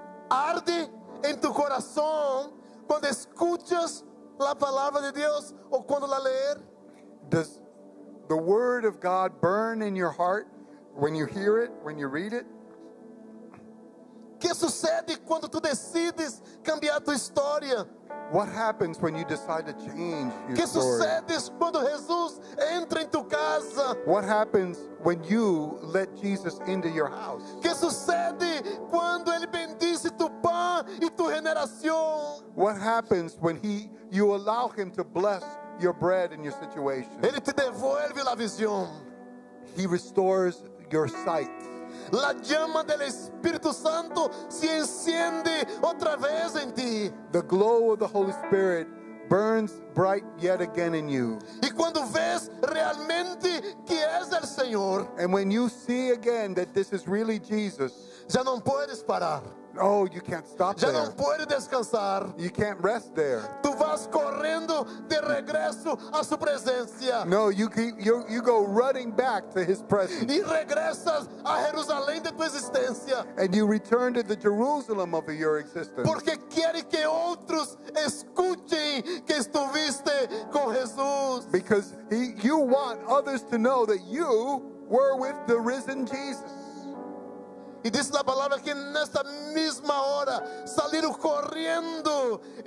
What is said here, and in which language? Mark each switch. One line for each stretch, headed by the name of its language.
Spanish: Arde en tu corazón cuando escuchas la palabra de Dios o cuando la leer.
English: Does the word of God burn in your heart when you hear it, when you read it?
Spanish: ¿Qué sucede cuando tú decides cambiar tu historia?
English: What happens when you decide to change your
Spanish: ¿Qué
English: story?
Spanish: Sucede cuando Jesús entra en tu casa?
English: What happens when you let Jesus into your house?
Spanish: ¿Qué sucede cuando él bendice tu pan y tu generación?
English: What happens when you allow him to bless your bread and your situation?
Spanish: Él te devuelve la visión.
English: He restores your sight.
Spanish: La llama del Espíritu Santo se enciende otra vez en ti.
English: The glow of the Holy Spirit burns bright yet again in you.
Spanish: Y cuando ves realmente que es el Señor.
English: And when you see again that this is really Jesus.
Spanish: Ya no puedes parar.
English: Oh, you can't stop
Spanish: ya
English: there.
Spanish: Ya no puedes descansar.
English: You can't rest there.
Spanish: Tú vas corriendo de regreso a su presencia.
English: No, you go running back to his presence.
Spanish: Y regresas a Jerusalén de tu existencia.
English: And you return to the Jerusalem of your existence.
Spanish: Porque quiere que otros escuchen que estuviste con Jesús.
English: Because you want others to know that you were with the risen Jesus.
Spanish: Y dice la palabra que en esta misma hora salieron corriendo.